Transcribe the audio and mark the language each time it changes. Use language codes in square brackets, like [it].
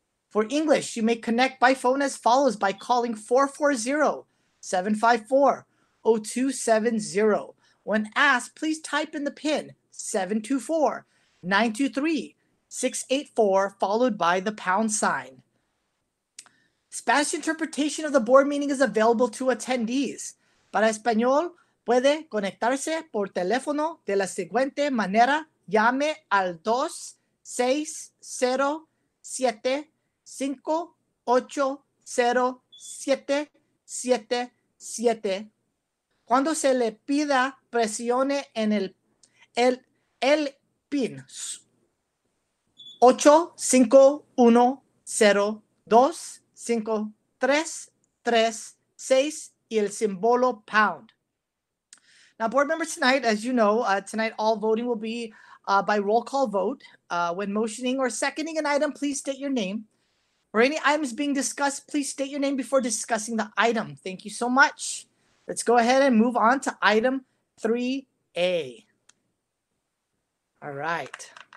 [en] For English, you may connect by phone as follows by calling 440-754-0270. When asked, please type in the PIN 724-923-684 followed by the pound sign. Spanish interpretation of the board meeting is available to attendees. [es] Para español, puede conectarse por teléfono de la siguiente manera. Llame al 2607-580-7777. Cuando se le pida, presione en el PIN 85102-5336 y el símbolo pound. [en] Now, board members, tonight, as you know, tonight all voting will be by roll call vote. When motioning or seconding an item, please state your name. For any items being discussed, please state your name before discussing the item. Thank you so much. Let's go ahead and move on to item 3A. All right.